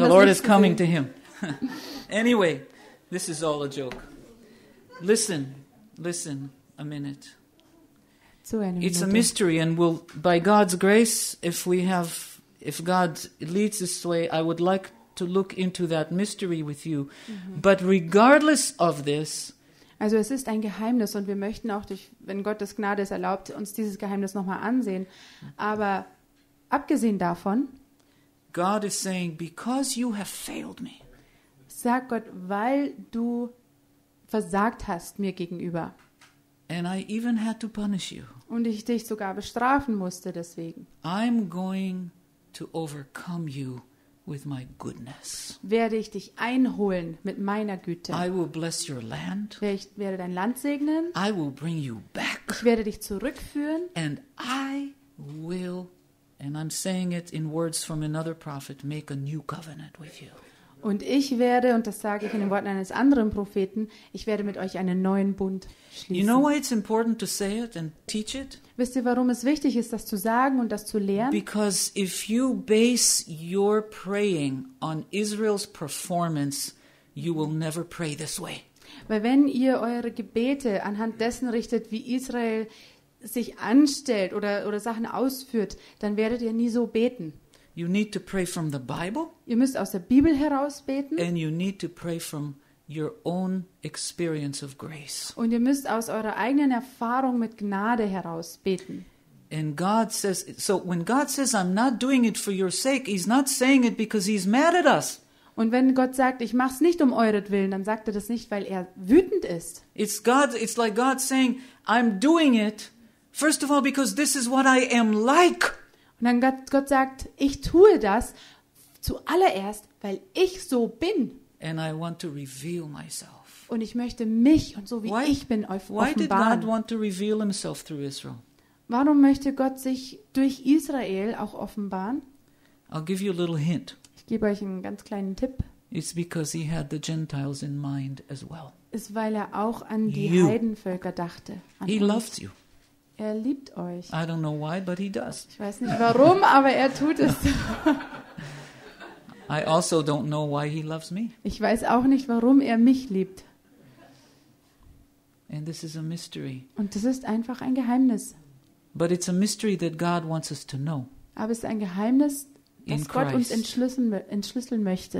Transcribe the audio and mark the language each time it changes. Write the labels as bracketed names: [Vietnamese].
[English] the Lord is coming to him. Anyway, this is all a joke. Listen, listen a minute. [German] Zu einer Minute. [English] It's a mystery, and we'll, by God's grace, if God leads this way, I would like to look into that mystery with you. Mm-hmm. But regardless of this, [German] also es ist ein Geheimnis, und wir möchten auch, durch, wenn Gottes Gnade es erlaubt, uns dieses Geheimnis nochmal ansehen. Aber abgesehen davon, [English] God is saying, because you have failed me. [German] Sag Gott, weil du versagt hast mir gegenüber. [English] And I even had to punish you. [German] Und ich dich sogar bestrafen musste deswegen. [English] I'm going to overcome you with my goodness. [German] Werde ich dich einholen mit meiner Güte. [English] I will bless your land. [German] Ich werde dein Land segnen. [English] I will bring you back. [German] Ich werde dich zurückführen. [English] And I will, and I'm saying it in words from another prophet, make a new covenant with you. [German] Und ich werde, und das sage ich in den Worten eines anderen Propheten, ich werde mit euch einen neuen Bund schließen. [English] You know why it's important to say it and teach it? [German] Wisst ihr, warum es wichtig ist, das zu sagen und das zu lehren? [English] Because if you base your praying on Israel's performance, you will never pray this way. [German] Weil wenn ihr eure Gebete anhand dessen richtet, wie Israel sich anstellt oder Sachen ausführt, dann werdet ihr nie so beten. [English] You need to pray from the Bible. [German] Ihr müsst aus der Bibel heraus beten. [English] And you need to pray from your own experience of grace. [German] Und ihr müsst aus eurer eigenen Erfahrung mit Gnade heraus beten. [English] And God says, so when God says, I'm not doing it for your sake, he's not saying it because he's mad at us. [German] Und wenn Gott sagt, ich mach's nicht um euretwillen, dann sagt er das nicht, weil er wütend ist. [English] It's God, it's like God saying, I'm doing it, first of all, because this is what I am like. [German] Und dann Gott sagt, ich tue das zuallererst, weil ich so bin. [English] And I want to reveal myself. [German] Und ich möchte mich und so wie ich bin offenbaren. [English] Why did God want to reveal himself through Israel? [German] Warum möchte Gott sich durch Israel auch offenbaren? [English] I'll give you a little hint. [German] Ich gebe euch einen ganz kleinen Tipp. [English] It's because he had the Gentiles in mind as well. [German] Ist, weil er auch an die you. Heidenvölker dachte. [English] He loves you. [German] Er liebt euch. [English] I don't know why, but he does. [German] Ich weiß nicht warum, aber er tut es. [English] I also don't know why he loves me. [German] Ich weiß auch nicht, warum er mich liebt. [English] And this is a mystery. [German] Und das ist einfach ein Geheimnis. [English] But it's a mystery that God wants us to know. [German] Aber es ist ein Geheimnis, das Gott uns entschlüsseln möchte.